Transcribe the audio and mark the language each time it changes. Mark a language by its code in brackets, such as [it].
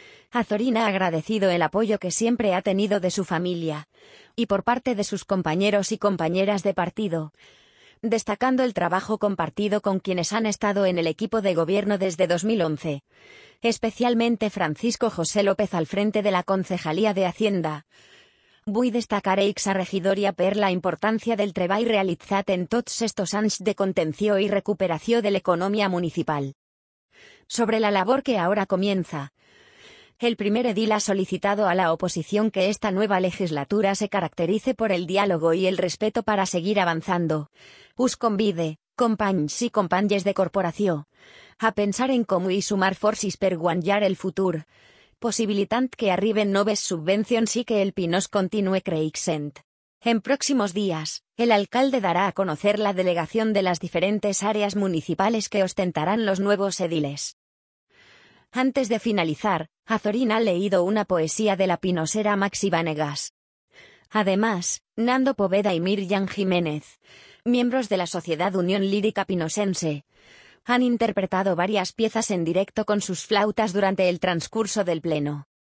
[es] Azorín ha agradecido el apoyo que siempre ha tenido de su familia y por parte de sus compañeros y compañeras de partido, destacando el trabajo compartido con quienes han estado en el equipo de gobierno desde 2011, especialmente Francisco José López al frente de la Concejalía de Hacienda. [ca] Vull destacar eixa regidoria per la importància del treball realitzat en tots estos anys de contenció i recuperació de l'economia municipal. [es] Sobre la labor que ahora comienza, el primer edil ha solicitado a la oposición que esta nueva legislatura se caracterice por el diálogo y el respeto para seguir avanzando. [ca] Us convide, companys i companyes de corporació, a pensar en com i sumar forces per guanyar el futur, possibilitant que arriben noves subvencions i que el Pinós continue creixent. [es] En próximos días, el alcalde dará a conocer la delegación de las diferentes áreas municipales que ostentarán los nuevos ediles. Antes de finalizar, Azorín ha leído una poesía de la pinosera Maxi Vanegas. Además, Nando Poveda y Miriam Jiménez, miembros de la Sociedad Unión Lírica Pinosense, han interpretado varias piezas en directo con sus flautas durante el transcurso del pleno.